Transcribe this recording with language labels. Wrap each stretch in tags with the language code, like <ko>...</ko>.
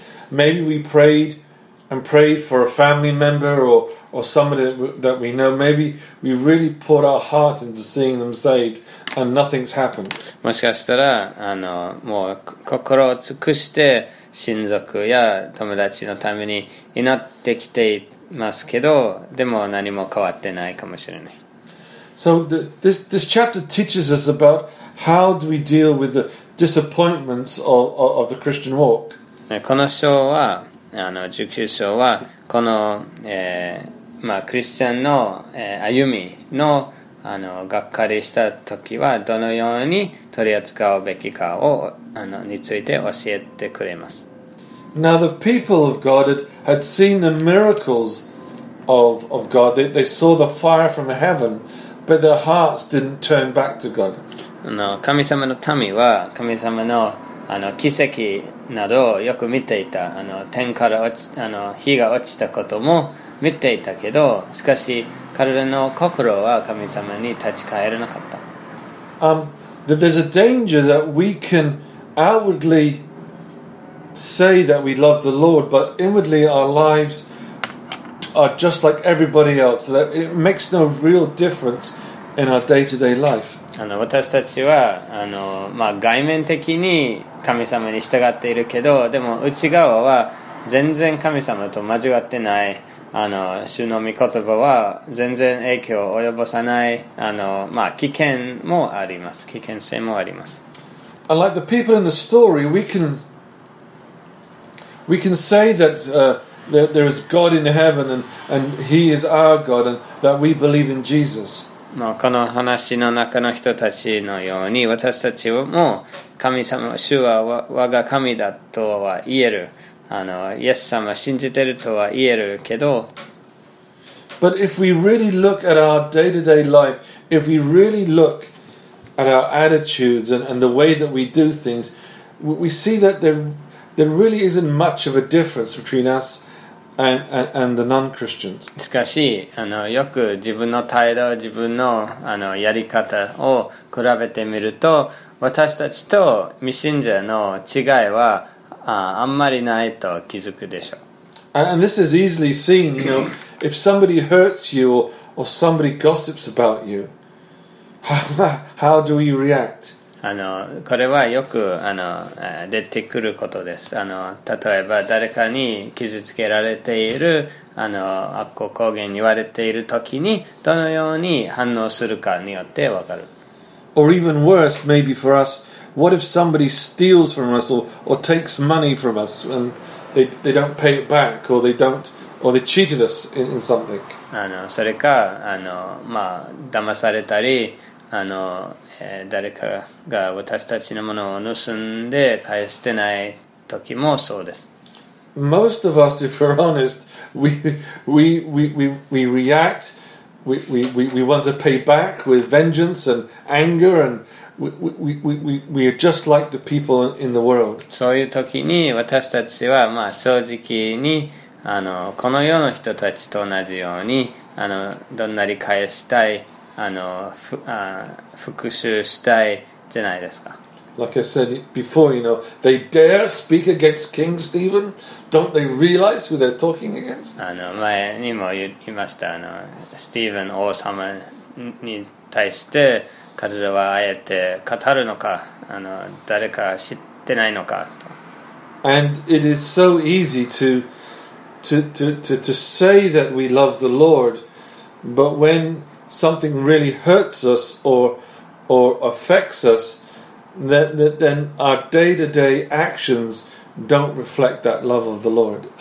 <en>Maybe we prayed and prayed for a family member or or somebody that we know, maybe we really put our heart into seeing them saved and nothing's happened.</en> <ja>もしかしたら、あの、もう心を尽くして親族や友達のために祈ってきていますけど、でも何も変わってないかもしれない。</ja> <en>So this chapter teaches us about how do we deal with the disappointments of the Christian walk.</en> <ja>この章は、あの、19章は、この、まあ、クリスチャンの、歩みの、あの、がっかりした時はどのように取り扱うべきかを、あの、について教えてくれます。</ja> <en>Now the people of God had seen the miracles of God. They saw the fire from heaven, but their hearts didn't turn back to God.</en> <ja>あの、神様の民は神様の、あの、奇跡などをよく見ていた。あの、天から落ち、あの、火が落ちたことも見ていたけど、しかし彼らの心は神様に立ち返らなかった。</ja> <en>There's a danger that we can outwardly say that we love the Lord, but inwardly our lives are just like everybody else. That it makes no real difference in our day-to-day life.</en> <ja>あの、私たちは、あの、まあ、外面的に神様に従っているけど、でも内側は全然神様と交わってない。あの、主の御言葉は全然影響を及ぼさない。あの、まあ、危険もあります。危険性もあります。</ja> <en>And like the people in the story, we can say that, that there is God in heaven and he is our God and that we believe in Jesus.</en> <ja>もうこの話の中の人たちのように、私たちも神様、主は我が神だとは言える。あの、イエス様信じてるとは言えるけど、</ja> <en>But if we really look at our day-to-day life, if we really look at our attitudes and the way that we do things, we see that there really isn't much of a difference between us and the non-Christians.</en> <ja>しかし、あの、よく自分の態度、自分の、あの、やり方を比べてみると、私たちと未信者の違いは、あんまりないと気づくでしょう。</ja> <en>And this is easily seen, you know, if somebody hurts you or somebody gossips about you, how do you react?</en> <ja>あの、これはよく、あの、出てくることです。あの、例えば誰かに傷つけられている、あの、悪口公言言われているときに、どのように反応するかによってわかる。</ja> <en>Or even worse, maybe for us, what if somebody steals from us or takes money from us and they don't pay it back or they don't or they cheated us in something?</en> <ja>あの、それか、あの、まあ、騙されたり、あの、誰かが私たちのものを盗んで返してない時もそうです。</ja> <en>Most of us, if we're honest, we react. We want to pay back with vengeance and anger, and we are just like the people in the world.</en> <ja>そういう時に私たちは、まあ、正直に、あの、この世の人たちと同じように、あの、どんなに返したい、あの、復讐したいじゃないですか。</ja> <en>Like I said before, you know, they dare speak against King Stephen. Don't they realize who they're talking against?</en> <ja>あの、前にも言いました。あの、スティーブン王様に対して彼らはあえて語るのか、あの、誰か知ってないのかと。</ja> <en>And it is so easy to say that we love the Lord, but when something really hurts us or affects us,Then our day-to-day actions don't reflect that love of the Lord.</en>